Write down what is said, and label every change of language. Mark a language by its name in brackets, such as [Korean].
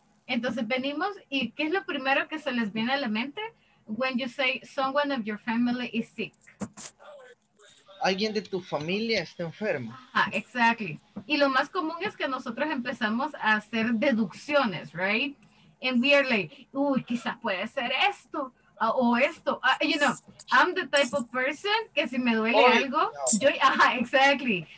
[Spanish] Entonces venimos, ¿y qué es lo primero que se les viene a la mente? [English] When you say someone of your family is sick. [Spanish] Alguien de tu familia está enfermo. [English] Ah, exactly. [Spanish] Y lo más común es que nosotros empezamos a hacer deducciones, right? [English] And we are like, [Spanish] uy, quizás puede ser esto o esto. [English] You know, I'm the type of person [Spanish] que si me duele algo, yo, [English] exactly.